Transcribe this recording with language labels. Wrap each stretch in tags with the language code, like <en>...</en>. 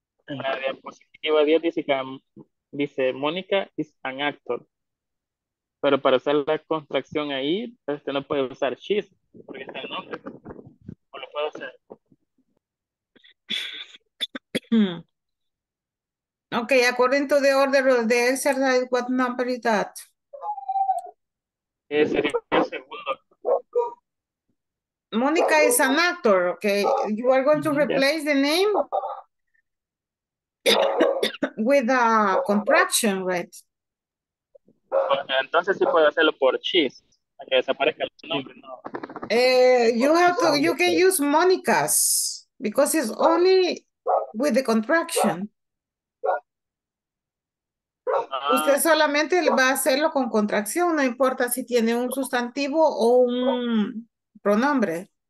<es>La diapositiva 10 dice</es> <en>Mónica is an actor,</en> <es>pero para hacer la contracción ahí no puede usar she's porque está el nombre, o lo puedo hacer.</es> <en>Okay, according to the order of the exercise, what number is that?</en> <es>Ese sería el segundo.</es> <en>Mónica is an actor. Okay, you are going to replace the name with a contraction, right?</en> <es>Entonces sí puedo hacerlo por cheese, para que desaparezca el nombre, ¿no?</es> <en>You can use Monica's because it's only with the contraction.</en> <es>Usted solamente va a hacerlo con contracción, no importa si tiene un sustantivo o un pronombre.</es>